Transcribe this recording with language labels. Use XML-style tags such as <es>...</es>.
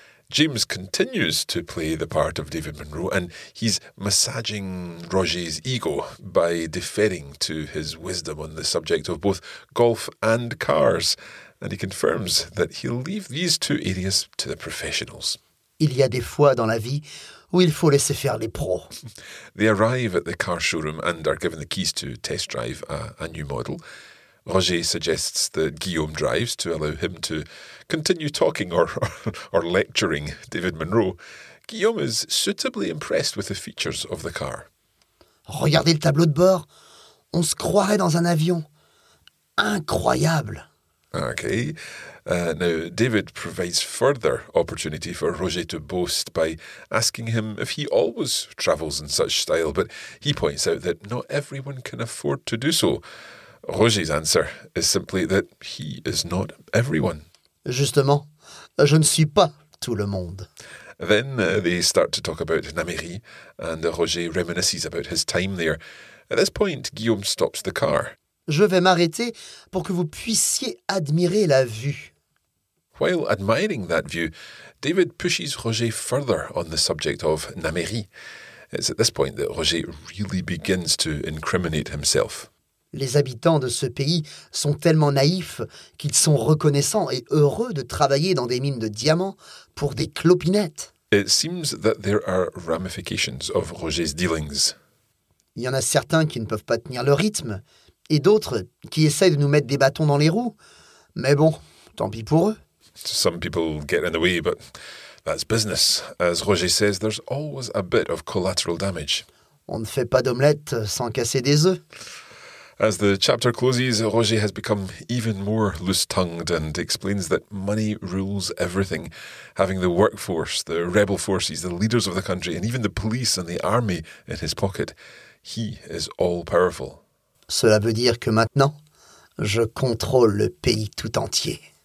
<en>James continues to play the part of David Monroe, and he's massaging Roger's ego by deferring to his wisdom on the subject of both golf and cars, and he confirms that he'll leave these two areas to the professionals.</en> <fr>Il y a des fois dans la vie où il faut laisser faire les pros.</fr> <en>They arrive at the car showroom and are given the keys to test drive a new model. Roger suggests that Guillaume drives to allow him to continue talking or lecturing David Monroe. Guillaume is suitably impressed with the features of the car.</en> <fr>Regardez le tableau de bord. On se croirait dans un avion. Incroyable.</fr> <en>Okay. Now, David provides further opportunity for Roger to boast by asking him if he always travels in such style, but he points out that not everyone can afford to do so. Roger's answer is simply that he is not everyone.</en> <fr>Justement, je ne suis pas tout le monde.</fr> <en>Then they start to talk about Namérie, and Roger reminisces about his time there. At this point, Guillaume stops the car.</en> <fr>Je vais m'arrêter pour que vous puissiez admirer la vue.</fr> <en>While admiring that view, David pushes Roger further on the subject of Namérie. It's at this point that Roger really begins to incriminate himself.</en> <fr>Les habitants de ce pays sont tellement naïfs qu'ils sont reconnaissants et heureux de travailler dans des mines de diamants pour des clopinettes.</fr> <en>It seems that there are ramifications of Roger's dealings.</en> <fr>Il y en a certains qui ne peuvent pas tenir le rythme et d'autres qui essaient de nous mettre des bâtons dans les roues. Mais bon, tant pis pour eux.</fr> <en>Some people get in the way, but that's business. As Roger says, there's always a bit of collateral damage.</en> <fr>On ne fait pas d'omelette sans casser des œufs.</fr> <en>As the chapter closes, Roger has become even more loose-tongued and explains that money rules everything. Having the workforce, the rebel forces, the leaders of the country, and even the police and the army in his pocket, he is all-powerful.</en> <fr>Cela veut dire que maintenant, je contrôle le pays tout entier.</fr>